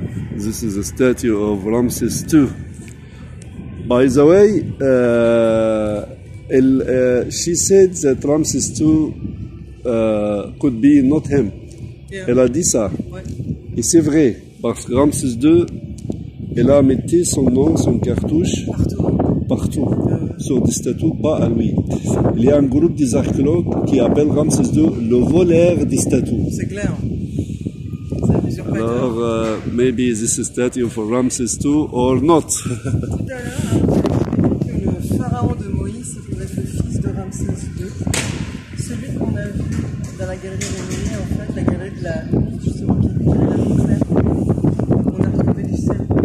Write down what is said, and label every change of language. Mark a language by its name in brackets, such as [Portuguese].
[English] This is a statue of Ramses II. By the way, she said that Ramses II could be not him. Yeah. [French] Elle a dit ça. Ouais. Et c'est vrai, parce que Ramsès II, elle a mis son nom, son cartouche, partout. Sur des statues, pas à lui. Il y a un groupe des archéologues qui appelle Ramsès II le voleur des statues. C'est clair. [English] Alors, maybe this is statue for Ramsès II or not. [French] Tout à l'heure, le pharaon de Moïse pourrait être le fils de Ramsès II. Celui qu'on a vu dans la galerie de Moïse, en fait, la galerie de la nuit, justement, qui est la nuit. On a trouvé du sel.